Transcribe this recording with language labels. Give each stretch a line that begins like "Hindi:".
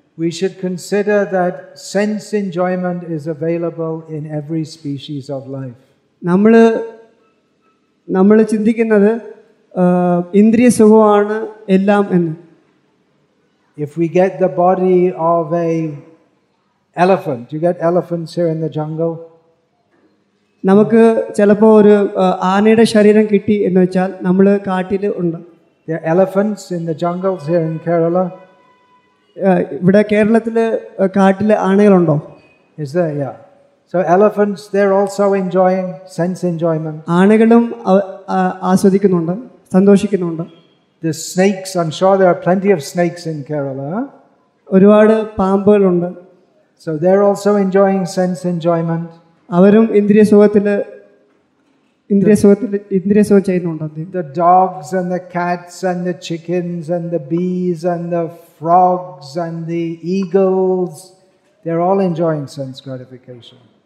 English: We should consider that sense enjoyment is available in every species of life.
Malayalam: നമ്മൾ ചിന്തിക്കുന്നത് ഇന്ദ്രിയ സുഖമാണ് എല്ലാം എന്ന്.
English: If we get the body of a elephant, you get elephants here in the jungle.
Malayalam: നമുക്ക് ചിലപ്പോൾ ഒരു ആനയുടെ ശരീരം കിട്ടി എന്ന് വെച്ചാൽ നമ്മൾ കാട്ടിൽ ഉണ്ട്.
English: There are elephants in the jungles here in Kerala.
Malayalam: ഇവിടെ കേരളത്തിൽ കാട്ടിൽ ആനകളുണ്ടോ?
English: Is there? Yeah. So elephants, they're also enjoying sense enjoyment.
Malayalam: ആനകളും ആസ്വദിക്കുന്നുണ്ട്, സന്തോഷിക്കുന്നുണ്ട്.
English: The snakes, I'm sure there are plenty of snakes in Kerala.
Malayalam: ഒരുപാട് പാമ്പുകളുണ്ട്.
English: So they're also enjoying sense enjoyment.
Malayalam: അവരും ഇന്ദ്രിയ സുഖം ചെയ്യുന്നുണ്ട്.
English: The dogs and the cats and the chickens and the bees and the frogs and the eagles, they're all enjoying sense gratification.